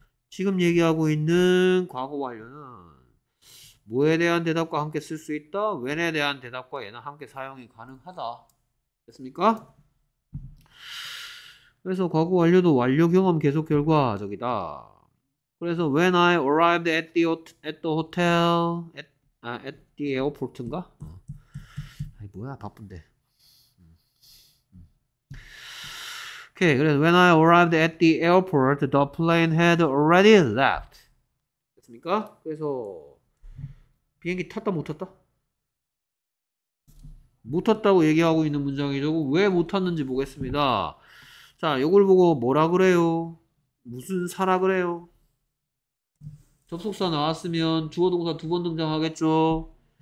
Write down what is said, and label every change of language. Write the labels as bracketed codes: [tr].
[ko] 지금 얘기하고 있는 과거 완료는 뭐에 대한 대답과 함께 쓸수 있다? when에 대한 대답과 얘는 함께 사용이 가능하다. 됐습니까? 그래서 과거 완료도 완료 경험 계속 결과적이다. [en] 그래서 when I arrived at the hotel at the airport인가? [ko] 뭐야 바쁜데. 오케이. [en] 그래서 when I arrived at the airport, the plane had already left. [ko] 됐습니까? 그래서 비행기 탔다 못 탔다? 못 탔다고 얘기하고 있는 문장이죠. 왜못 탔는지 보겠습니다. 자, 요걸 보고 뭐라 그래요? 무슨 사라 그래요? 접속사 나왔으면 주어동사 두번 등장하겠죠.